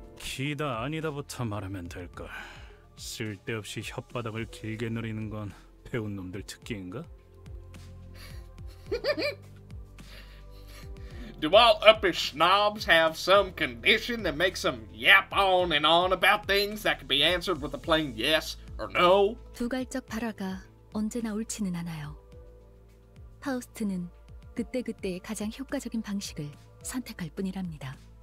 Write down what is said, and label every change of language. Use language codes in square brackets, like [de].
[ko] 기다 아니다부터 말하면 될걸. 쓸데없이 혓바닥을 길게 누리는 건 배운 놈들 특기인가? [en] Do all uppish snobs have some condition that makes them yap on and on about things that can be answered with a plain yes or no? [ko] 두갈적 발화가 언제나 옳지는 않아요. 파우스트는 그때그때의 가장 효과적인 방식을 선택할 뿐이랍니다.